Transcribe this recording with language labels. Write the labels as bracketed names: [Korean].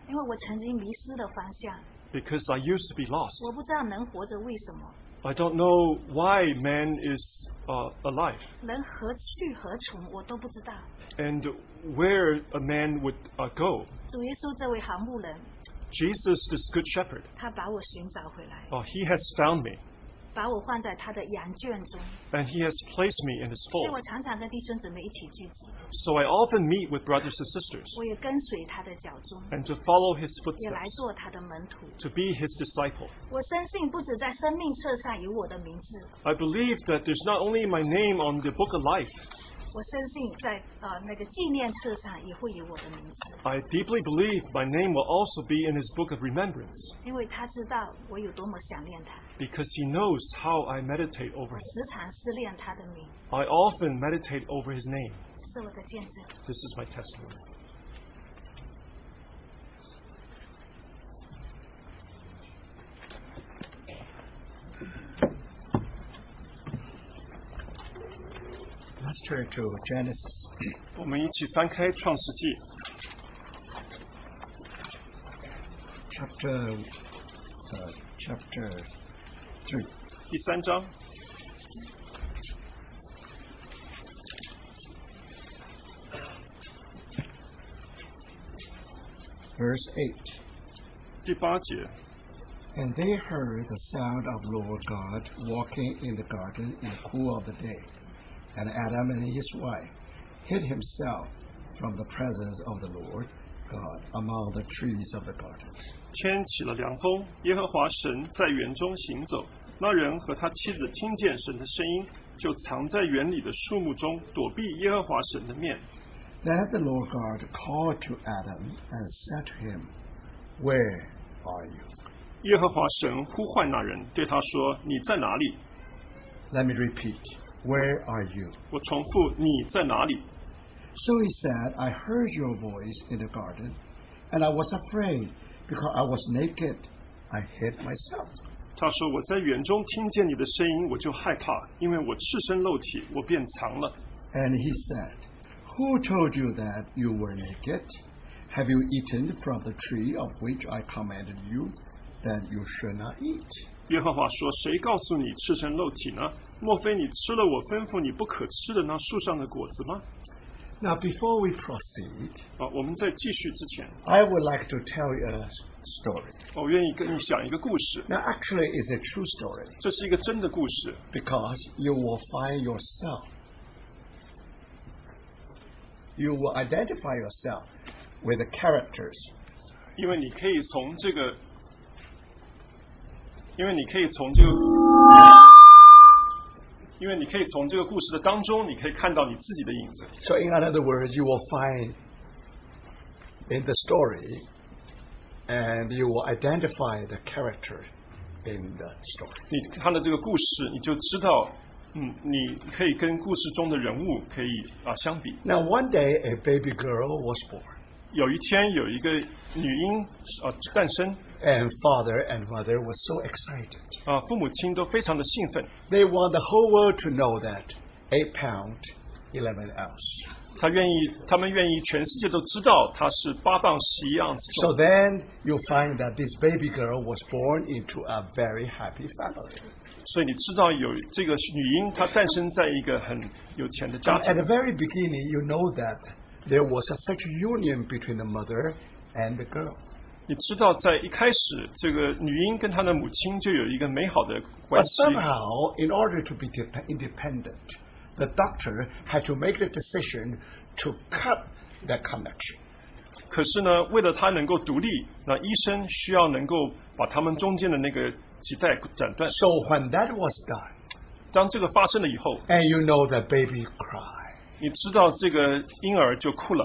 [Chinese] 因为我曾经迷失了方向。 [English] Because I used to be lost. [Chinese] 我不知道能活着为什么。 [English] I don't know why man is alive. [Chinese] 人何去何从，我都不知道。 [English] And where a man would go? [Chinese] 主耶稣这位好牧人。 [English] Jesus, this good shepherd. [Chinese] 他把我寻找回来。 [English] Oh, he has found me. [Chinese] 把我放在他的羊圈中。 [English] And he has placed me in his fold. [Chinese] 我常常跟弟兄姊妹一起聚集。 [English] So I often meet with brothers and sisters. [Chinese] 我也跟随他的脚踪。 [English] And to follow his footsteps. [Chinese] 也来做他的门徒。 [English] To be his disciple. [Chinese] 我深信不止在生命册上有我的名字。 [English] I believe that there's not only my name on the book of life. [Chinese] 我深信在那个纪念册上也会有我的名字。 [English] I deeply believe my name will also be in his book of remembrance. [Chinese] 因为他知道我有多么想念他。 [English] Because he knows how I meditate over him. [Chinese] 我时常思念他的名。 [English] I often meditate over his name. [Chinese] 是我的见证。 [English] This is my testimony. turn to Genesis. [Chinese] 我们一起翻开《创世纪》 [English] chapter 3, [Chinese] 第三章。 [English] Verse 8. [Chinese] 第八节。 [English] And they heard the sound of Lord God walking in the garden in the cool of the day. And Adam and his wife hid himself from the presence of the Lord God among the trees of the garden. [Chinese] 天起了凉风，耶和华神在园中行走，那人和他妻子听见神的声音，就藏在园里的树木中，躲避耶和华神的面。 [English] Then the Lord God called to Adam and said to him, Where are you? [Chinese] 耶和华神呼唤那人，对他说，你在哪里？ [English] Let me repeat, Where are you? [Chinese] 我重复，你在哪里？ [English] So he said, I heard your voice in the garden, and I was afraid, because I was naked, I hid myself. [Chinese] 他说，我在园中听见你的声音，我就害怕，因为我赤身露体，我便藏了。 [English] And he said,Who told you that you were naked? Have you eaten from the tree of which I commanded you that you should not eat? [Chinese] 耶和华说，谁告诉你赤身露体呢？莫非你吃了我吩咐你不可吃的那树上的果子吗？ [English] Now before we proceed, [Chinese] 我们在继续之前， [English] I would like to tell you a story. [Chinese] 我愿意跟你讲一个故事。 [English] Now actually it's a true story. [Chinese] 这是一个真的故事。 [English] Because you will find yourself. You will identify yourself with the characters. [Chinese] 因为你可以从这个，因为你可以从这个，因为你可以从这个故事的当中，你可以看到你自己的影子。 [English] So in other words, you will find in the story, and you will identify the character in the story. [Chinese] 你看到这个故事，你就知道。你可以跟故事中的人物可以相比。 [English] Now one day a baby girl was born. [Chinese] 有一天有一个女婴诞生。 [English] And father and mother were so excited. [Chinese] 父母亲都非常的兴奋。 [English] They want the whole world to know that 8 pounds, 11 ounces. [Chinese] 他们愿意全世界都知道她是8磅11盎司。 [English] So then you find that this baby girl was born into a very happy family. [Chinese] 所以你知道有这个女婴，她诞生在一个很有钱的家庭。 [English] At the very beginning, you know that there was a such union between the mother and the girl. [Chinese] 你知道在一开始，这个女婴跟她的母亲就有一个美好的关系。 [English] But somehow, in order to be independent, the doctor had to make the decision to cut that connection. [Chinese] 可是呢，为了她能够独立，那医生需要能够把他们中间的那个。 [English] So when that was done, [Chinese] 当这个发生了以后, [English] and you know the baby cried, [Chinese] 你知道这个婴儿就哭了。